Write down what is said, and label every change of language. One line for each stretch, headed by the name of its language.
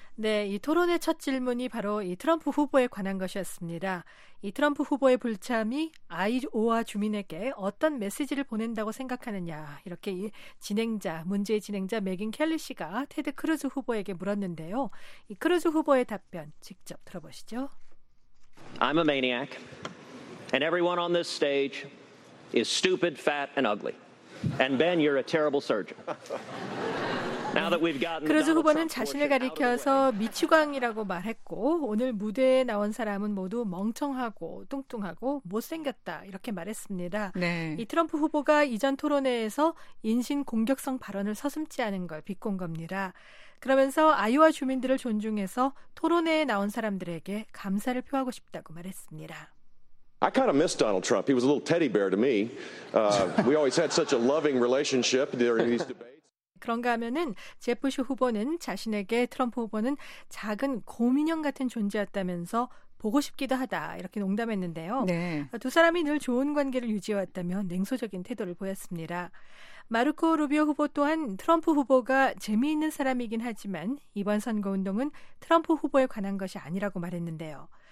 Korean: 네, 이 토론회 첫 질문이 바로 이 트럼프 후보에 관한 것이었습니다. 이 트럼프 후보의 불참이 아이오와 주민에게 어떤 메시지를 보낸다고 생각하느냐, 이렇게 이 진행자, 문제의 진행자 맥인 켈리 씨가 테드 크루즈 후보에게 물었는데요. 이 크루즈 후보의 답변 직접 들어보시죠.
English: I'm a maniac, and everyone on this stage is stupid, fat, and ugly. And Ben, you're a terrible surgeon. Now that we've gotten
Korean: 크루즈 후보는 자신을 가리켜서 미치광이라고 말했고, 오늘 무대에 나온 사람은 모두 멍청하고 뚱뚱하고 못생겼다, 이렇게 말했습니다. 네. 이 트럼프 후보가 이전 토론회에서 인신 공격성 발언을 서슴지 않은 걸 비꼰 겁니다. 그러면서 아이오와 주민들을 존중해서 토론회에 나온 사람들에게 감사를 표하고 싶다고 말했습니다.
English: I kind of miss Donald Trump. He was a little teddy bear to me. We always had such a loving relationship during these debates.
Korean: 그런가 하면은 제프시 후보는 자신에게 트럼프 후보는 작은 곰인형 같은 존재였다면서 보고 싶기도 하다 이렇게 농담했는데요. 네. 두 사람이 늘 좋은 관계를 유지해왔다면 냉소적인 태도를 보였습니다. 마르코 루비오 후보 또한 트럼프 후보가 재미있는 사람이긴 하지만 이번 선거운동은 트럼프 후보에 관한 것이 아니라고 말했는데요.